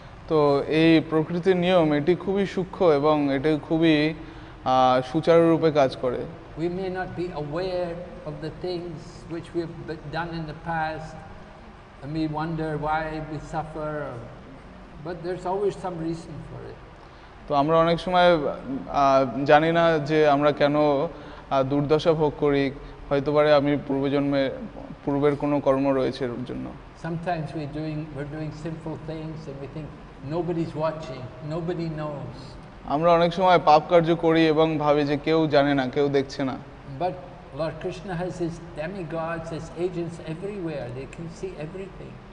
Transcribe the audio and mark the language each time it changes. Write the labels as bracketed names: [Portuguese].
[Bangla] তো এই প্রকৃতির নিয়ম এটি খুবই সূক্ষ্ম এবং এটি খুবই সুচারুরূপে কাজ করে. [English] We may not be aware of the things which we have done in the past and we wonder why we suffer, but there's always some reason for it. [Bangla] তো আমরা অনেক সময় জানি না যে আমরা কেন দুর্দশা ভোগ করি, হয়তো পারে আমি পূর্বজন্মে পূর্বের কোনো কর্ম রয়েছে এর জন্য. [English] Sometimes we're doing sinful things and we think nobody's watching, nobody knows. [Bangla] আমরা অনেক সময় পাপ কার্য করি এবং ভাবি যে কেউ জানে না, কেউ দেখছে না. [English] But Lord Krishna has his demigods, his agents everywhere. They can see everything.